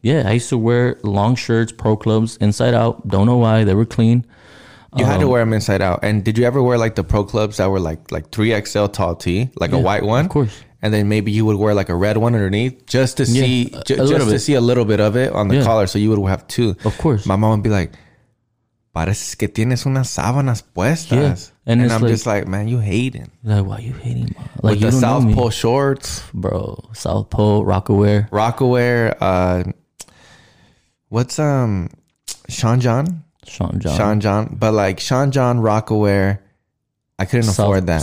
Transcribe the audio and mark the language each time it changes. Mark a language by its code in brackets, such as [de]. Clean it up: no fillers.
[en] Yeah, I used to wear long shirts, pro clubs, inside out. Don't know why, they were clean. You had to wear them inside out. And did you ever wear like the pro clubs that were like 3XL tall tee, like a white one? Of course. And then maybe you would wear like a red one underneath just to see a little bit of it on the collar. So you would have two. Of course. My mom would be like, [es] pareces que tienes unas sábanas puestas. [en] Yeah. And I'm like, just like, man, you hating. Like, why are you hating, mom? Like, with you the don't South know me. Pole shorts. Bro, South Pole, Rockaware. Rockaware. What's Sean John, but like Sean John Rockaware, I couldn't afford that.